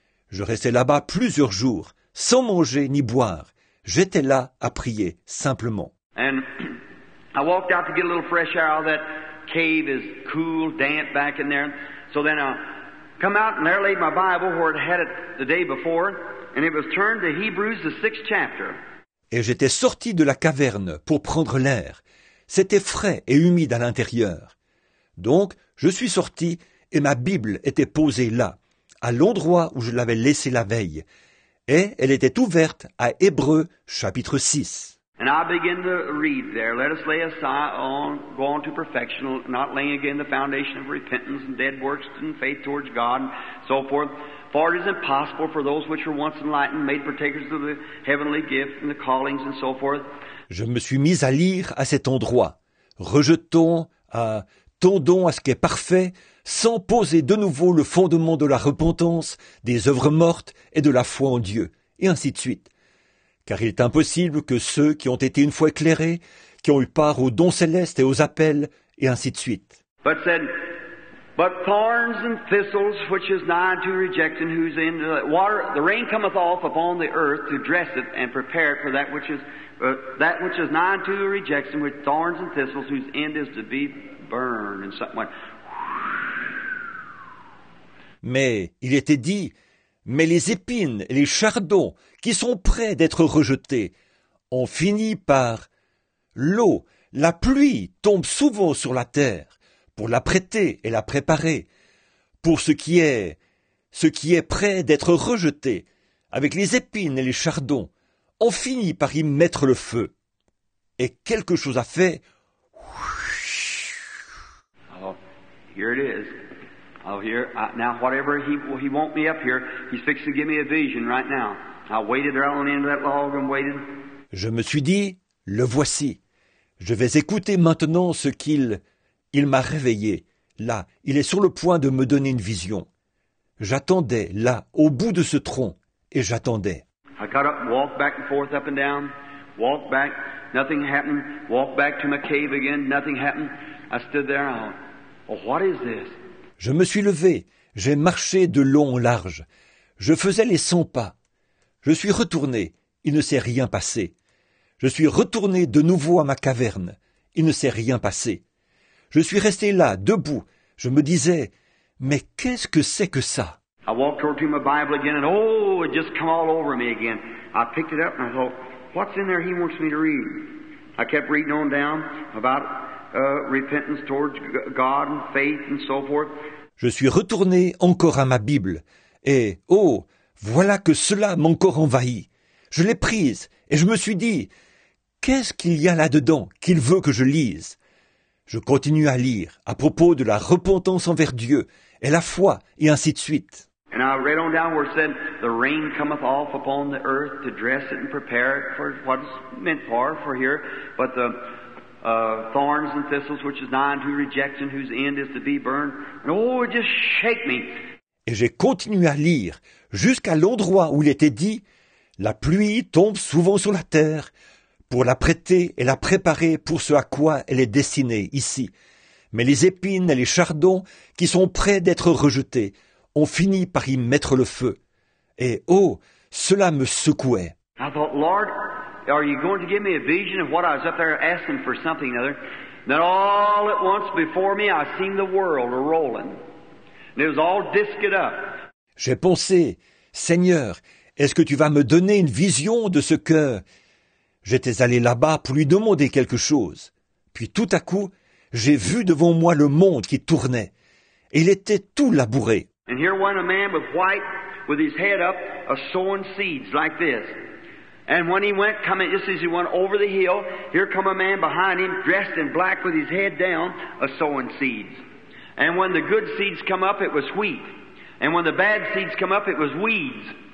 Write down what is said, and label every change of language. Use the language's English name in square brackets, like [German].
[French] Je restais là-bas plusieurs jours, sans manger ni boire. J'étais là à prier, simplement. [English] And I walked out to get a little fresh air. That cave is cool, damp back in there. So then I come out and there laid my Bible where it had it the day before, and it was turned to Hebrews, the 6th chapter. [French] Et j'étais sorti de la caverne pour prendre l'air. C'était frais et humide à l'intérieur. Donc, je suis sorti et ma Bible était posée là, à l'endroit où je l'avais laissée la veille. Et elle était ouverte à Hébreux, chapitre 6. [English] And I begin to read there, let us lay aside on, go on to perfection, not laying again the foundation of repentance and dead works and faith towards God and so forth. For it is impossible for those which were once enlightened, made partakers of the heavenly gift and the callings and so forth. [French] Je me suis mis à lire à cet endroit. Rejetons, tendons à ce qui est parfait, sans poser de nouveau le fondement de la repentance, des œuvres mortes et de la foi en Dieu, et ainsi de suite. Car il est impossible que ceux qui ont été une fois éclairés, qui ont eu part aux dons célestes et aux appels, et ainsi de suite. [English] But said, but thorns and thistles, which is nigh to reject, and whose end the water, the rain cometh off upon the earth to dress it and prepare it for that which is. That which is nigh to the rejection with thorns and thistles, whose end is to be burned, and something like. [French] Mais il était dit, mais les épines et les chardons qui sont prêts d'être rejetés ont fini par. L'eau, la pluie tombe souvent sur la terre pour la prêter et la préparer pour ce qui est prêt d'être rejeté avec les épines et les chardons. On finit par y mettre le feu. Et quelque chose a fait. [English] Oh, here it is. Oh, here. Now, whatever he wants me up here, he's fixing to give me a vision right now. I waited around on the end of that log and waited. [French] Je me suis dit, le voici. Je vais écouter maintenant ce qu'il m'a réveillé. là, il est sur le point de me donner une vision. J'attendais, là, au bout de ce tronc, et j'attendais. [English] I got up and walked back and forth, up and down. Walked back, nothing happened. Walked back to my cave again, nothing happened. I stood there and oh, what is this? [French] Je me suis levé, j'ai marché de long en large. Je faisais les 100 pas. Je suis retourné, il ne s'est rien passé. Je suis retourné de nouveau à ma caverne, il ne s'est rien passé. Je suis resté là, debout, je me disais, mais qu'est-ce que c'est que ça? [English] I walked over to my Bible again and oh, it just came all over me again. I picked it up and I thought, what's in there he wants me to read? I kept reading on down about repentance towards God and faith and so forth. [French] Je suis retourné encore à ma Bible et oh, voilà que cela m'a encore envahi. Je l'ai prise et je me suis dit, qu'est-ce qu'il y a là-dedans qu'il veut que je lise? Je continue à lire à propos de la repentance envers Dieu et la foi et ainsi de suite. [English] And I read on down where it said, the rain cometh off upon the earth to dress it and prepare it for what it's meant for here. But the thorns and thistles, which is nigh unto rejection, whose end is to be burned. And oh, it just shake me. [French] Et j'ai continué à lire jusqu'à l'endroit où il était dit, la pluie tombe souvent sur la terre pour la prêter et la préparer pour ce à quoi elle est destinée ici. Mais les épines et les chardons qui sont prêts d'être rejetés on finit par y mettre le feu. Et oh, cela me secouait. [English] I thought, Lord, are you going to give me a vision of what I was up there asking for something other? Then all at once before me, I seen the world rolling. And it was all disked up. [French] J'ai pensé, Seigneur, est-ce que tu vas me donner une vision de ce que... J'étais allé là-bas pour lui demander quelque chose. Puis tout à coup, j'ai vu devant moi le monde qui tournait. Et il était tout labouré. [English] And here went a man with white, with his head up, a sowing seeds like this. And when he went coming, just as he went over the hill, here come a man behind him, dressed in black with his head down, a sowing seeds. And when the good seeds come up, it was wheat. And when the bad seeds come up, it was weeds.